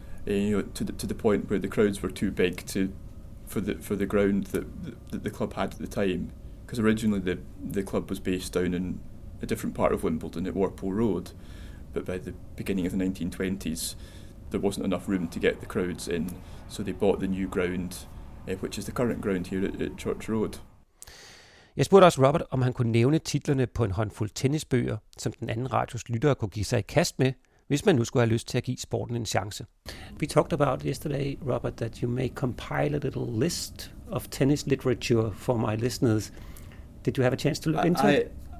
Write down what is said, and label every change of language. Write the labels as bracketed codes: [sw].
[en] You know, to the point where the crowds were too big for the ground that the club had at the time, because originally the club was based down in a different part of Wimbledon at Warpole Road, but by the beginning of the 1920s there wasn't enough room to get the crowds in, so they bought the new ground, which is the current ground here at Church Road. [da] Jeg spurgte også Robert, om han kunne nævne titlerne på en håndfuld tennisbøger, som den anden radios lyttere kunne give sig i kast med, hvis man nu skulle have lyst til at give sporten en chance. [en] We talked about yesterday, Robert, that you may compile a little list of tennis literature for my listeners. Did you have a chance to look into it?